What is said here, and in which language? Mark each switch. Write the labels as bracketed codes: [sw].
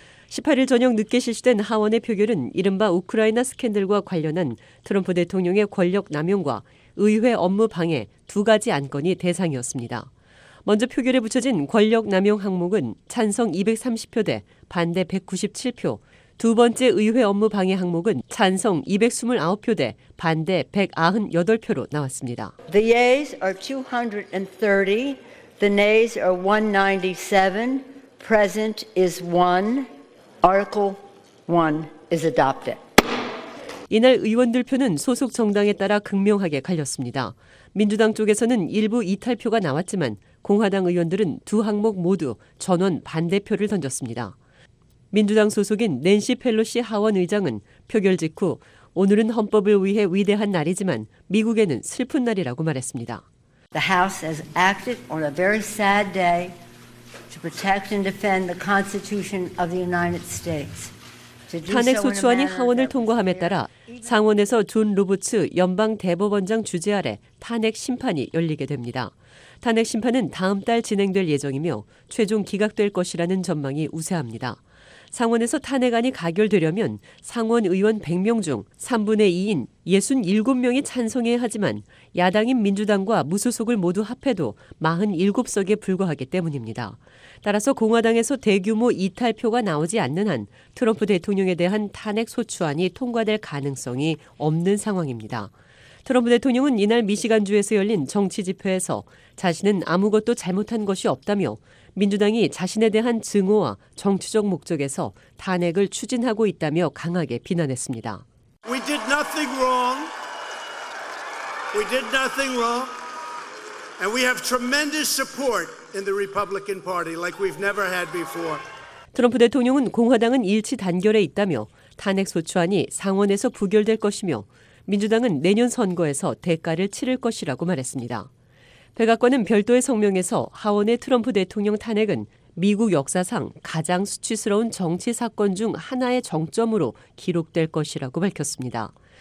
[ko] 18일 저녁 늦게 실시된 하원의 표결은 이른바 우크라이나 스캔들과 관련한 트럼프 대통령의 권력 남용과 의회 업무 방해 두 가지 안건이 대상이었습니다. 먼저 표결에 붙여진 권력 남용 항목은 찬성 230표 대 반대 197표, 두 번째 의회 업무 방해 항목은 찬성 229표 대 반대 198표로 나왔습니다. [en] The yeas are 230, the nays are 197, present is 1, Article 1 is adopted. [ko] 이날 의원들 표는 소속 정당에 따라 극명하게 갈렸습니다. 민주당 쪽에서는 일부 이탈표가 나왔지만 공화당 의원들은 두 항목 모두 전원 반대표를 던졌습니다. 민주당 소속인 낸시 펠로시 하원의장은 표결 직후 오늘은 헌법을 위해 위대한 날이지만 미국에는 슬픈 날이라고 말했습니다. [en] The House has acted on a very sad day to protect and defend the Constitution of the United States. [ko] 탄핵 소추안이 하원을 통과함에 따라 상원에서 존 로버츠 연방 대법원장 주재 아래 탄핵 심판이 열리게 됩니다. 탄핵 심판은 다음 달 진행될 예정이며 최종 기각될 것이라는 전망이 우세합니다. 상원에서 탄핵안이 가결되려면 상원 의원 100명 중 3분의 2인 67명이 찬성해야 하지만 야당인 민주당과 무소속을 모두 합해도 47석에 불과하기 때문입니다. 따라서 공화당에서 대규모 이탈표가 나오지 않는 한 트럼프 대통령에 대한 탄핵 소추안이 통과될 가능성이 없는 상황입니다. 트럼프 대통령은 이날 미시간주에서 열린 정치 집회에서 자신은 아무것도 잘못한 것이 없다며 민주당이 자신에 대한 증오와 정치적 목적에서 탄핵을 추진하고 있다며 강하게 비난했습니다. [en] We did nothing wrong. We did nothing wrong. And we have tremendous support in the Republican Party like we've never had before. [ko] 트럼프 대통령은 공화당은 일치 단결해 있다며 탄핵 소추안이 상원에서 부결될 것이며 민주당은 내년 선거에서 대가를 치를 것이라고 말했습니다. 백악관은 별도의 성명에서 하원의 트럼프 대통령 탄핵은 미국 역사상 가장 수치스러운 정치 사건 중 하나의 정점으로 기록될 것이라고 밝혔습니다.